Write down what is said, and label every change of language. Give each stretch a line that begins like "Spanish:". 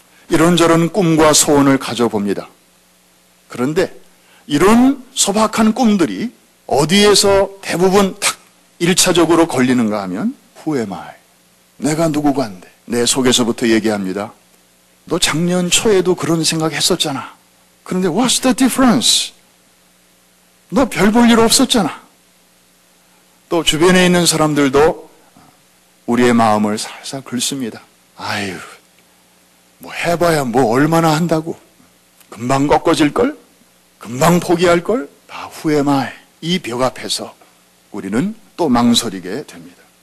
Korean: 이런저런 꿈과 소원을 가져봅니다. 그런데 이런 소박한 꿈들이 어디에서 대부분 탁 1차적으로 걸리는가 하면
English: Who am I?
Korean: 내가 누구간데? 내 속에서부터 얘기합니다. 너 작년 초에도 그런 생각 했었잖아.
English: 그런데 What's the difference?
Korean: 너 별 볼 일 없었잖아. 또 주변에 있는 사람들도 우리의 마음을 살살 긁습니다. 아유, 뭐 해봐야 뭐 얼마나 한다고. 금방 꺾어질걸? 금방 포기할 걸 다 후회마에 이 벽 앞에서 우리는 또 망설이게 됩니다.